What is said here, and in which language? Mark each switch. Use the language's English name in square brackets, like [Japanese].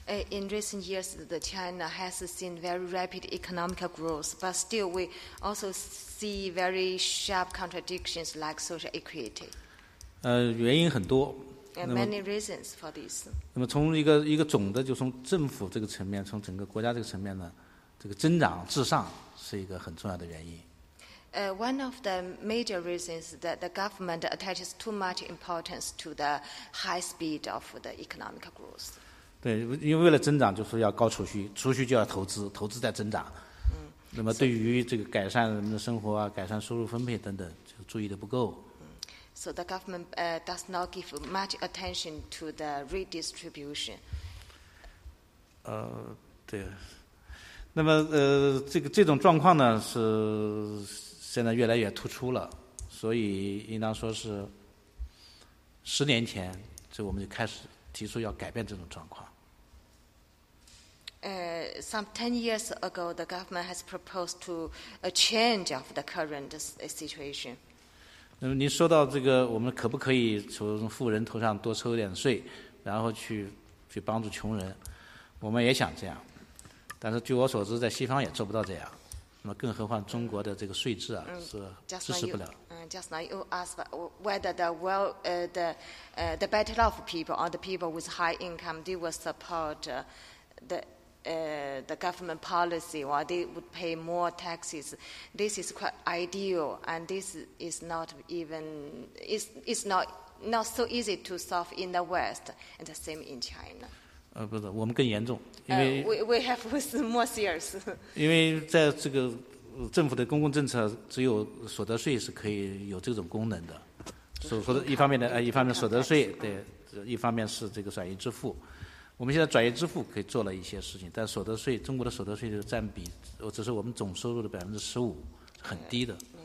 [English] In recent years, China has seen very rapid economic growth, but still we also see very sharp contradictions like social equity. [Chinese] 原因很多。 [English] Many reasons for this. [Chinese] 那么从一个总的，就从政府这个层面，从整个国家这个层面呢，这个增长至上是一个很重要的原因。 [English] One of the major reasons that the government attaches too much importance to the high speed of the economic growth. [Chinese] 对，因为为了增长就是要高储蓄，储蓄就要投资，投资在增长。那么对于这个改善人们的生活啊，改善收入分配等等，就注意的不够。 [English] So the government does not give much attention to the redistribution. [Chinese] 对。那么这种状况呢是现在越来越突出了，所以应当说是十年前就我们就开始提出要改变这种状况。 [English] Some 10 years ago, the government has proposed to a change of the current situation. [Chinese] 那么您说到这个，我们可不可以从富人头上多抽一点税，然后去帮助穷人？我们也想这样。但是据我所知，在西方也做不到这样，那么更何况中国的这个税制啊，是支持不了。 [English] Just now you asked whether the better off people or the people with high income they will support the government policy or they would pay more taxes. This is quite ideal, and this is not even it's not so easy to solve in the West, and the same in China. [Chinese] 不是，我们更严重，因为 [English] we have more serious. [Chinese] 因为在这个政府的公共政策，只有所得税是可以有这种功能的。所说的一方面的一方面所得税，对，一方面是这个转移支付。我们现在转移支付可以做了一些事情，但所得税，中国的所得税就占比，只是我们总收入的15%，很低的。